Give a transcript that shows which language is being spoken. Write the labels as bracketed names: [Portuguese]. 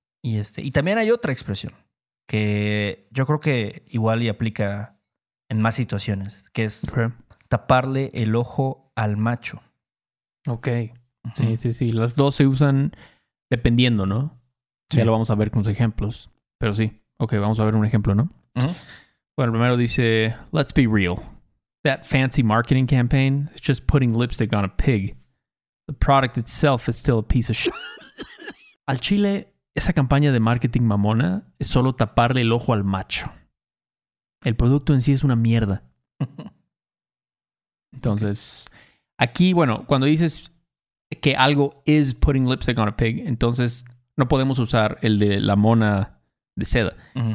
[Spanish] Y también hay otra expresión que yo creo que igual y aplica en más situaciones, que es taparle el ojo al macho. Ok. Sí, sí, sí. Las dos se usan dependiendo, ¿no? Sí. Ya lo vamos a ver con los ejemplos. Pero sí. Ok, vamos a ver un ejemplo, ¿no? Uh-huh. Bueno, primero dice, [English] let's be real. That fancy marketing campaign is just putting lipstick on a pig. The product itself is still a piece of shit. [Spanish] Al chile, esa campaña de marketing mamona es solo taparle el ojo al macho. El producto en sí es una mierda. Entonces, okay. Aquí, bueno, cuando dices... Que algo [English] is putting lipstick on a pig. [Spanish] Entonces, no podemos usar el de la mona de seda. Uh-huh.